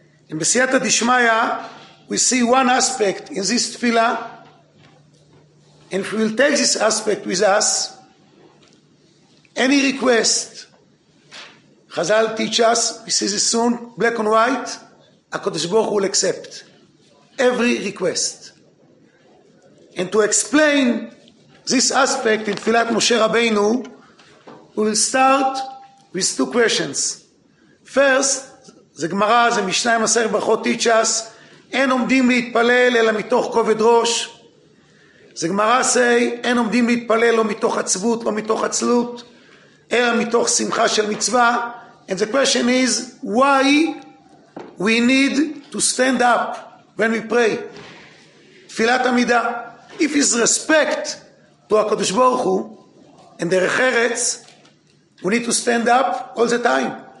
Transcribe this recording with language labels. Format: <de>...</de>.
<en>In בסייעתא דשמיא we see one aspect in this תפילה, and if we will take this aspect with us, any request, חזל teach us, we see this soon black and white, הקדוש ברוך הוא will accept every request. And to explain this aspect in תפילת משה רבינו, we will start with two questions.</en> <he>First, זה גמרא, זה משנה מסר ברכות</he> <en>teach us,</en> <he>אין עומדים להתפלל אלא מתוך כובד ראש. זה גמרא</he> <en>say,</en> <he>אין עומדים להתפלל לא מתוך עצבות, לא מתוך עצלות, אלא מתוך שמחה של מצווה.</he> <en>And the question is, why we need to stand up when we pray. תפילת עמידה. If it's respect to הקדוש ברוך הוא and דרך ארץ, we need to stand up all the time.</en>